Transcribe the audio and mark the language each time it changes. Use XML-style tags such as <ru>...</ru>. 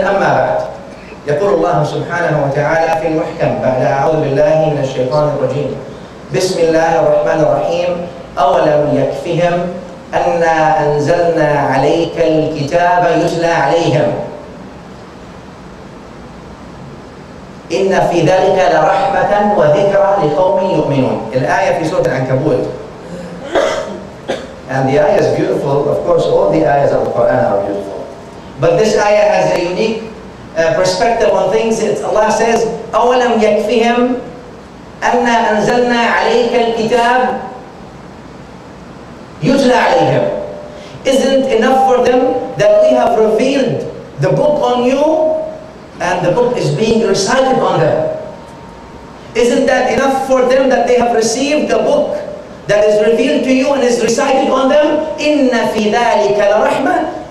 <ar>أما بعد، يقول الله سبحانه وتعالى في المحكم بعد أعوذ بالله من الشيطان الرجيم: بسم الله الرحمن الرحيم. أولم يكفهم أن أنزلنا عليك الكتاب يتلى عليهم إن في ذلك لرحمة وذكرى لقوم يؤمنون. الآية في سورة العنكبوت.</ar> <en>And the ayah is beautiful. Of course, all the ayahs of the Quran are beautiful. But this ayah has a unique perspective on things. It's Allah says,</en> <ar>أَوَلَمْ يَكْفِهِمْ أَنَّا أَنزَلْنَا عَلَيْكَ الْكِتَابِ يُتْلَى عَلَيْهِمْ.</ar> <en>Isn't enough for them that we have revealed the book on you and the book is being recited on them? Isn't that enough for them that they have received the book that is revealed to you and is recited on them?</en> <ar>إِنَّ فِي ذَٰلِكَ لَرَحْمَةً.</ar>